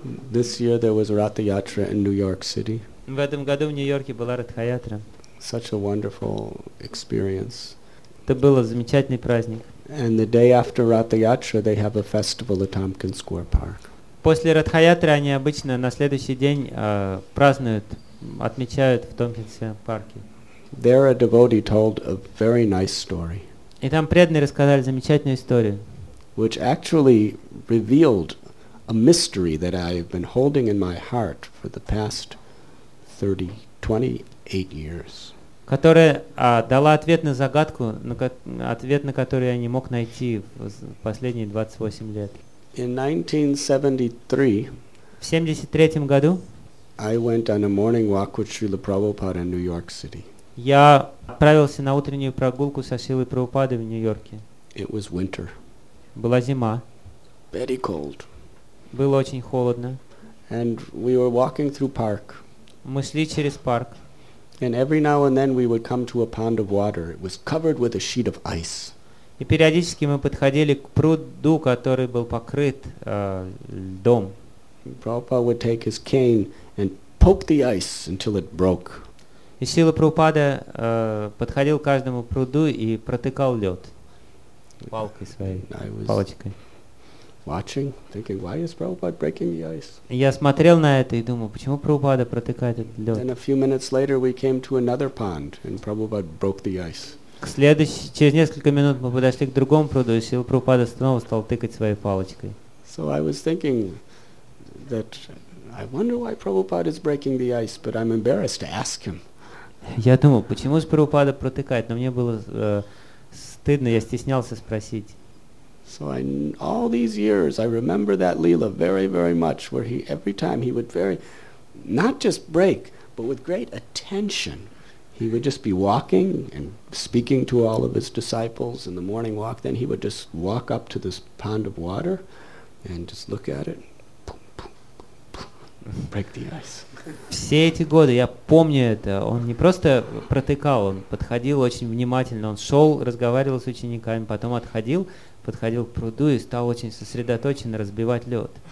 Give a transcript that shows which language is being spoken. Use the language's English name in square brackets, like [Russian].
[English] This year there was Ratha Yatra in New York City. [Russian] В этом году в Нью-Йорке была Ратха Ятра. [English] Such a wonderful experience. [Russian] Это был замечательный праздник. [English] And the day after Ratha Yatra they have a festival at Tompkins Square Park. [Russian] После Ратха Ятры они обычно на следующий день празднуют, отмечают в Tompkins парке. [English] There a devotee told a very nice story. [Russian] И там преданные рассказали замечательную историю. [English] Which actually revealed a mystery that I have been holding in my heart for the past 28 years. [Russian] Которая дала ответ на загадку, ответ на который я не мог найти в последние 28 лет. [English] In 1973, [Russian] в 73 году [English] I went on a morning walk with Srila Prabhupada in New York City. [Russian] Я отправился на утреннюю прогулку со Шрилой Прабхупадой в Нью-Йорке. [English] It was winter. [Russian] Была зима. [English] Very cold. [Russian] Было очень холодно. [English] And we were walking through park. [Russian] Мы шли через парк. [English] And every now and then we would come to a pond of water. It was covered with a sheet of ice. [Russian] И периодически мы подходили к пруду, который был покрыт льдом. [English] Prabhupada would take his cane and poke the ice until it broke. [Russian] И Шрила Прабхупада подходил к каждому пруду и протыкал лед палкой своей, палочкой. [English] Watching, thinking, why is Prabhupada breaking the ice? [Russian] Я смотрел на это и думал, почему Прабхупада протыкает этот лед? [English] Then a few minutes later we came to another pond and Prabhupada broke the ice. [Russian] Через несколько минут мы подошли к другому пруду, и Шрила Прабхупада снова стал тыкать своей палочкой. [English] So I was thinking that I wonder why Prabhupada is breaking the ice, but I'm embarrassed to ask him. [Russian] Я думал, почему же Прабхупада протыкает, но мне было стыдно, я стеснялся спросить. [English] So all these years I remember that Leela very, very much, where he every time he would very not just break, but with great attention. He would just be walking and speaking to all of his disciples in the morning walk. Then he would just walk up to this pond of water and just look at it. Boom, boom, boom, boom, break the ice. [Russian] Все эти годы я помню это. Он не просто протыкал, он подходил очень внимательно. Он шел, разговаривал с учениками, потом отходил, подходил к пруду и стал очень сосредоточенно разбивать лед.